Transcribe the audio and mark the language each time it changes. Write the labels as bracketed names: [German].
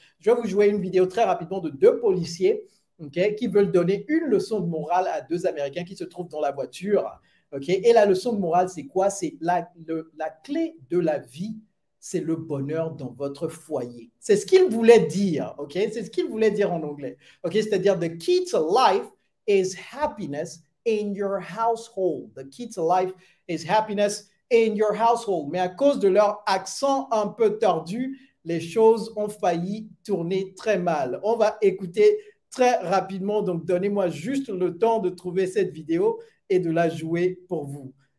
[French] Je vais vous jouer une vidéo très rapidement de deux policiers, okay, qui veulent donner une leçon de morale à deux Américains qui se trouvent dans la voiture. Okay. Et la leçon de morale, c'est quoi? C'est la clé de la vie. C'est le bonheur dans votre foyer. C'est ce qu'il voulait dire, OK? C'est ce qu'il voulait dire en anglais, OK? C'est-à-dire, [English] the key to life is happiness in your household. The key to life is happiness in your household. [French] Mais à cause de leur accent un peu tordu, les choses ont failli tourner très mal. On va écouter très rapidement, donc donnez-moi juste le temps de trouver cette vidéo et de la jouer pour vous.